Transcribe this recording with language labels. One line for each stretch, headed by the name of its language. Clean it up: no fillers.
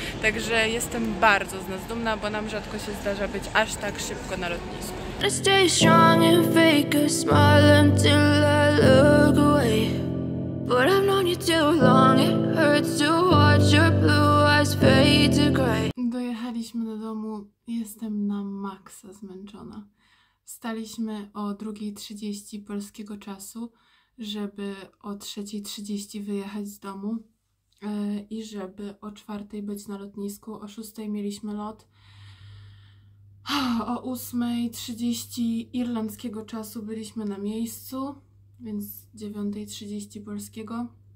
Polish: Także jestem bardzo z nas dumna, bo nam rzadko się zdarza być aż tak szybko na lotnisku.
English: I stay strong and fake a smile until I look away. But I've known you too long, it hurts to watch your blue eyes fade to grey.
Polish: Dojechaliśmy do domu, jestem na maksa zmęczona. Wstaliśmy o 2:30 polskiego czasu, żeby o 3:30 wyjechać z domu i żeby o 4:00 być na lotnisku. O 6:00 mieliśmy lot. O 8:30 irlandzkiego czasu byliśmy na miejscu, więc 9:30 polskiego.